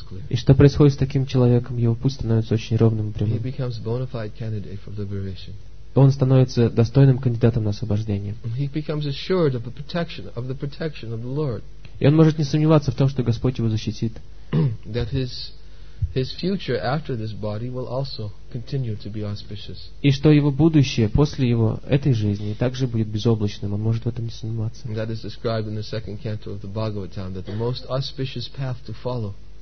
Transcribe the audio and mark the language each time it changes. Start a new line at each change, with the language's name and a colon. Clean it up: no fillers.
Russian: И что происходит с таким человеком? Его путь становится очень ровным и прямым. Он становится достойным кандидатом на освобождение.
English: He becomes assured of the protection, of the Lord.
Russian: И он может не сомневаться в том, что Господь его защитит.
English: That his future after this body will also continue to be auspicious.
Russian: И что его будущее после его этой жизни также будет безоблачным. Он может в этом не сомневаться.
English: That is described in the second canto of the Bhagavatam, that the most auspicious path to follow.